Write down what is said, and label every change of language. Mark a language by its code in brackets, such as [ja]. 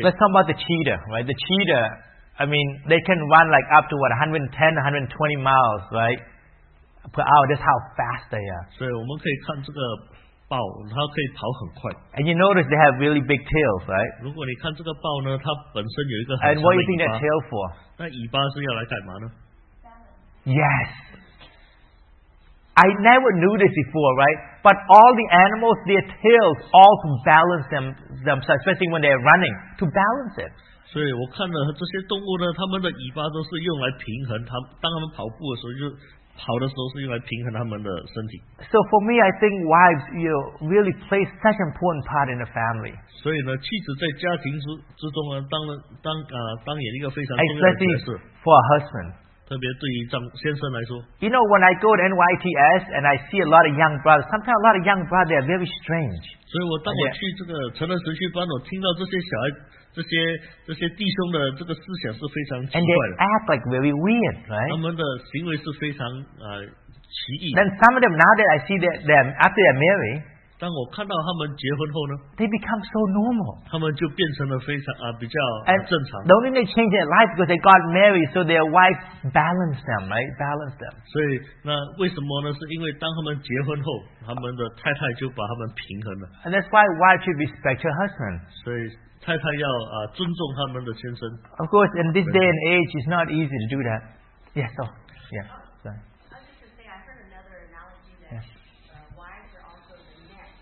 [en] let's talk about the cheetah, right? The cheetah, I mean, they can run like up to what 110, 120 miles, right? Per hour. That's how fast they are. [zh] 所以我们可以看这个豹，它可以跑很快。 [en] And you notice they have really big tails, right? [zh] 如果你看这个豹呢，它本身有一个很长的尾巴。 [en] And what do you think that tail for? [zh] 那尾巴是要来干嘛呢？ [en] Yes. I never knew this before, right? But all the animals, their tails all balance themselves, especially when they're running, to balance it. [zh] 所以我看了这些动物呢，它们的尾巴都是用来平衡它，当它们跑步的时候，就跑的时候是用来平衡它们的身体。 [en] So for me, I think wives, you know, really play such an important part in the family. [zh] 所以呢，妻子在家庭之中呢，当演一个非常重要的角色。 [en] For a husband. [zh] 特别对于张先生来说 [en] ，You know, when I go to NYTS and I see a lot of young brothers, sometimes a lot of young brothers are very strange. [zh] 所以我当我去这个成人神学班，我听到这些小孩、这些弟兄的这个思想是非常奇怪的。 [en] And they act like very weird, right? [zh] 他们的行为是非常奇异。 [en] Then some of them, now that I see them after they're married, [zh] 当我看到他们结婚后呢 [en] ，they become so normal. [zh] 他们就变成了非常比较正常。 [en] And the only thing they change their life because they got married, so their wife. Balance them, right? Balance them. [zh] 所以那为什么呢？是因为当他们结婚后，他们的太太就把他们平衡了。 [en] And that's why wife should respect her husband. [zh] 所以太太要尊重他们的先生。 [en] Of course, in this day and age, it's not easy to do that. Yes, so, yeah, so. I was just gonna say, I heard another analogy that wives are also the neck.